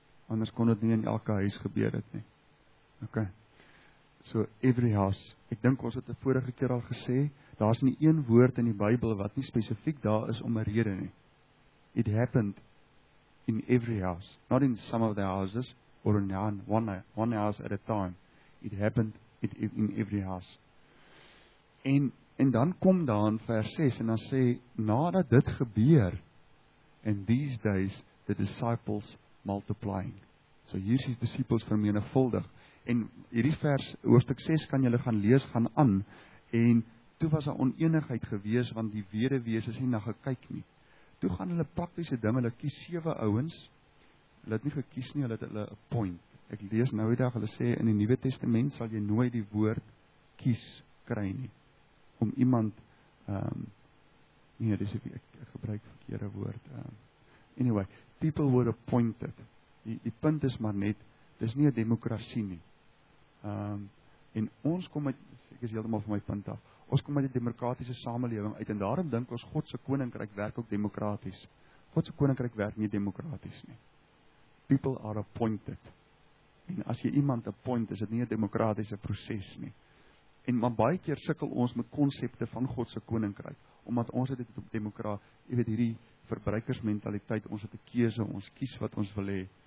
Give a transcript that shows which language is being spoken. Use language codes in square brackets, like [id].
[af] Anders kon het nie in elke huis gebeur het nie. [en] Ok, so every house, [af] ek dink ons het die vorige keer al gesê, daar is nie een woord in die Bybel wat nie specifiek daar is om 'n rede nie. [en] It happened in every house, not in some of the houses, or in one house at a time. It happened in every house. [af] En dan kom daar in vers 6, en dan sê, nadat dit gebeur, [en] in these days, the disciples multiplying. [af] So hier is die disciples vermenigvuldig. En hierdie vers, hoofstuk 6, kan julle gaan lees, gaan aan, en toe was daar onenigheid gewees, want die wederwees is nie na gekyk nie. Toe gaan hulle praktiese ding, hulle kies 7 ouens, hulle het nie gekies nie, hulle het hulle appoint. Ek lees nou die dag, hulle sê, in die Nuwe Testament sal jy nooit die woord kies kry nie, om iemand, ek gebruik verkeerde woord, [en] anyway, people were appointed. [af] Die punt is maar net, dis nie 'n demokrasie nie. En ons kom met, ek is heeltemal van my punt af, Ons kom uit die demokratiese samelewing uit en daarom dink ons God se koninkryk werk ook demokraties. God se koninkryk werk nie demokraties nie. [en] People are appointed. [af] En as jy iemand appoint, is dit nie 'n demokratiese proses nie. En maar baie keer sukkel ons met konsepte van God se koninkryk, omdat ons het dit op demokrat, jy weet hierdie verbruikersmentaliteit, ons het 'n keuse, ons kies wat ons wil hê.